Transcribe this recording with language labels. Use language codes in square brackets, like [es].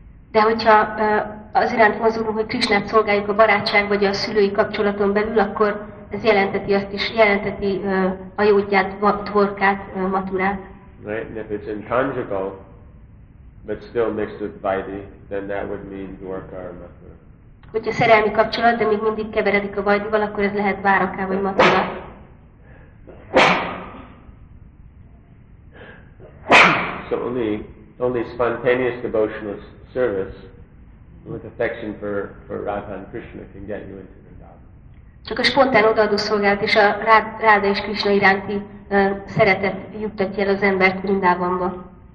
[hu] De hogyha az iránt mozogunk, hogy Krisnát szolgáljuk a barátság vagy a szülői kapcsolaton belül, akkor ez jelenteti azt is, jelenteti Ayodhyát, Dwarkát, Mathurát. [en] Right, and if it's in conjugal, but still mixed with Vaidhi, then that would mean Dwarka or Mathura. [hu] Hogyha szerelmi kapcsolat, de még mindig keveredik a Vaidhival, akkor ez lehet Dwarka vagy Mathura. [en] So only spontaneous devotional service with affection for Radha and Krishna can get you into Vrindavan. [hu] Csak a spontán odaadó szolgálat és a Radha és Krishna iránti szeretet juttatja el az embert Vrindavanba.